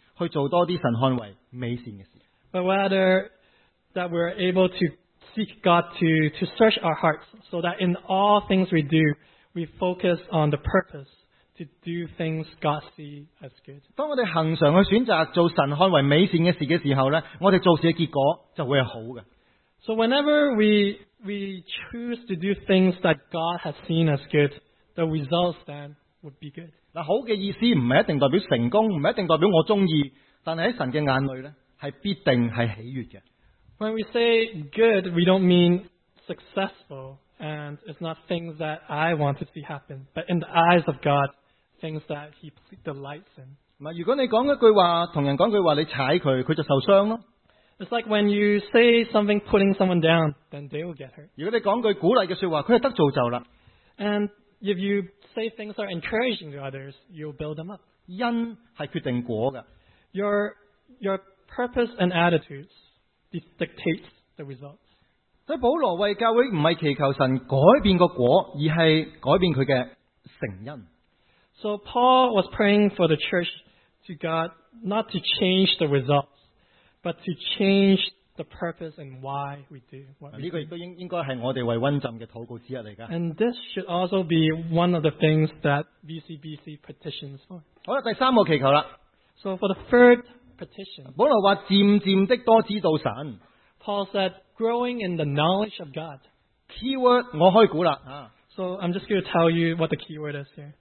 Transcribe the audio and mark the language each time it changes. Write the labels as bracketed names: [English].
[Cantonese] 而是神监察我们,让我们凡事小心去选择那个因,去做多些神看为美善的事。 [English] But rather that we're able to seek God to search our hearts so that in all things we do, we focus on the purpose to do things God see as good. [Cantonese] 当我们恒常去选择做神看为美善的事的时候,我们做事的结果就会是好的。 [English] So whenever we choose to do things that God has seen as good, the results then would be good. [Cantonese] 好的意思不是一定代表成功, 不是一定代表我喜歡, 但是在神的眼裡呢, 是必定是喜悅的。 [English] When we say good, we don't mean successful, and it's not things that I want to see happen, but in the eyes of God, things that He delights in. [Cantonese] 如果你說一句話, 跟人說一句話, 你踩他, 他就受傷咯。 [English] It's like when you say something putting someone down, then they will get hurt. [Cantonese] 如果你說一句鼓勵的說話, 他就得造就了。 [English] And if you say things that are encouraging to others, you'll build them up. [Cantonese] 因是決定果的。 [English] Your purpose and attitudes dictate the results. [Cantonese] 所以保羅為教會不是祈求神改變果, 而是改變他的成因。 [English] So Paul was praying for the church to God not to change the results, but to change the purpose and why we do what we do. And this should also be one of the things that VCBC petitions for. [Cantonese] 好了,第三個祈求了。 [English] So for the third petition, [Cantonese] 保羅說漸漸的多知道神, [English] Paul said, growing in the knowledge of God. [Cantonese] Keyword, 我可以猜了, [English] So I'm just going to tell you what the keyword is here.